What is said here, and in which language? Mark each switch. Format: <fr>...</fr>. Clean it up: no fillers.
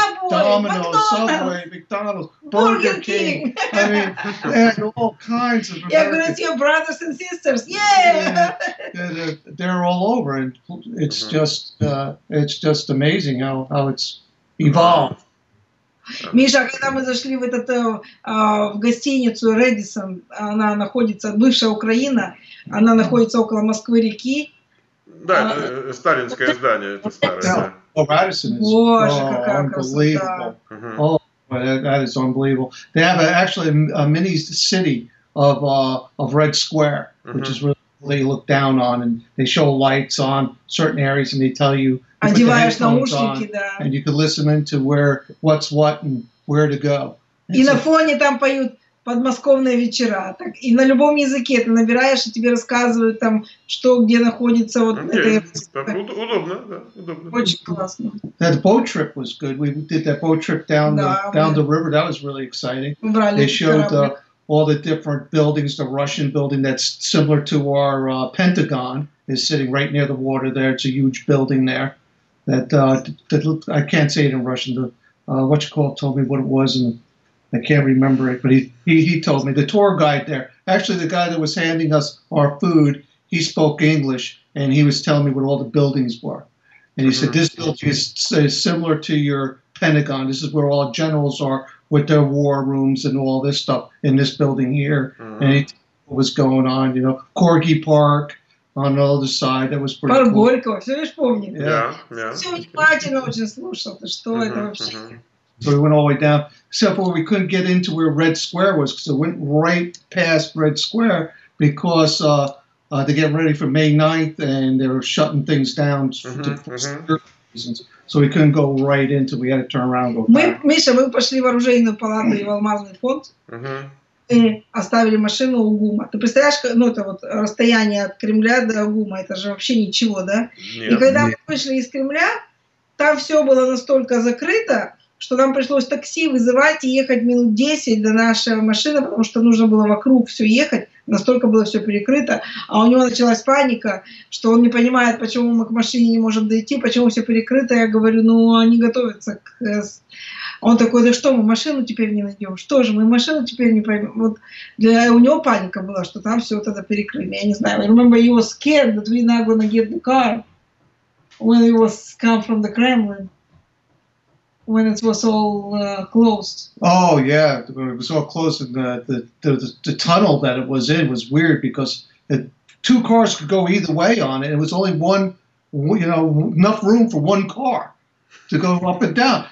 <en>Domino's, Subway, McDonald's, Burger King. I mean, and all kinds of. Yeah, gonna see your brothers and sisters. Yeah. They're all over, and it's just amazing how it's evolved.</en> <ru>Миша, когда мы зашли в этот в гостиницу Редисон, она находится, бывшая Украина, она находится около Москвы-реки. Да, это сталинское здание, это старое. Редисон, боже, какая красота.</ru> <en>О, that is unbelievable. They have actually a mini city of Red Square, which is really looked down on, and they show lights on certain areas, and they tell you.</en> <ru>Одеваешь наушники, да.</ru> <en>And you can listen into where, what's what, and where to go.</en> <ru>И на фоне там поют подмосковные вечера. Так, и на любом языке ты набираешь, и тебе рассказывают там, что где находится вот это. Удобно. Очень классно.</ru> <en>That boat trip was good. We did that boat trip down the river. That was really exciting. They showed all the different buildings, the Russian building that's similar to our Pentagon. Is sitting right near the water there. It's a huge building there that I can't say it in Russian. What you call it, told me what it was, and I can't remember it, but he told me, the tour guide there, actually the guy that was handing us our food, he spoke English, and he was telling me what all the buildings were. And he said, this building is similar to your Pentagon. This is where all generals are with their war rooms and all this stuff in this building here. Mm-hmm. And he told me what was going on, you know, Corgi Park on the other side. That was pretty cool.</en> <ru>Горького, все лишь помню.</ru> <en>Yeah, yeah.</en> <ru>Все внимательно очень слушал, что это вообще.</ru> <en>So we went all the way down, except for we couldn't get into where Red Square was, because it went right past Red Square, because they're getting ready for May 9th, and they were shutting things down for security reasons. So we couldn't go right into, we had to turn around and go back.</en> <ru>Миша, мы пошли в оружейную палату и в алмазный фонд, и оставили машину у ГУМа. Ты представляешь, ну это вот расстояние от Кремля до ГУМа, это же вообще ничего, да? Нет. И когда мы вышли из Кремля, там все было настолько закрыто, что нам пришлось такси вызывать и ехать минут 10 до нашей машины, потому что нужно было вокруг все ехать, настолько было все перекрыто. А у него началась паника, что он не понимает, почему мы к машине не можем дойти, почему все перекрыто. Я говорю, ну они готовятся к... Он такой, да что, мы машину теперь не найдем? Что же, мы машину теперь не поймем? Вот для... У него паника была, что там все тогда перекрыли. Я не знаю, я</ru> <en>remember he was scared that we're not gonna get the car when he was come from the Kremlin. When it was all closed. Oh yeah, it was all closed, and the tunnel that it was in was weird because it, two cars could go either way on it. It was only one, you know, enough room for one car to go up and down.</en>